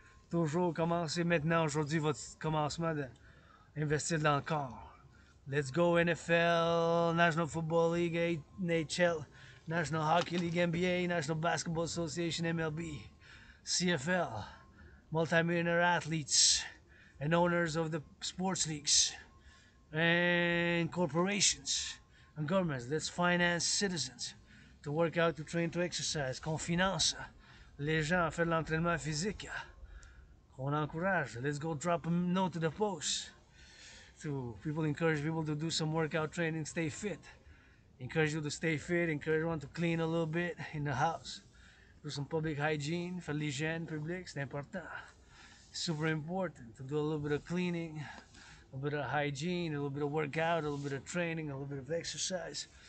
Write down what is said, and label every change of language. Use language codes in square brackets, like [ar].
[fr] Toujours commencer maintenant, aujourd'hui, votre commencement d'investir dans le corps. [en] Let's go NFL, National Football League, NHL, National Hockey League, NBA, National Basketball Association, MLB, CFL, multimillionaire athletes and owners of the sports leagues and corporations and governments. Let's finance citizens to work out, to train, to exercise. [fr] Qu'on finance les gens à faire de l'entraînement physique. Qu'on encourage. [en] Let's go drop a note to the post. To people, encourage people to do some workout training, stay fit. Encourage you to stay fit, encourage everyone to clean a little bit in the house. Do some public hygiene, for [fr] l'hygiène publique, c'est important. [en] Super important to do a little bit of cleaning, a bit of hygiene, a little bit of workout, a little bit of training, a little bit of exercise.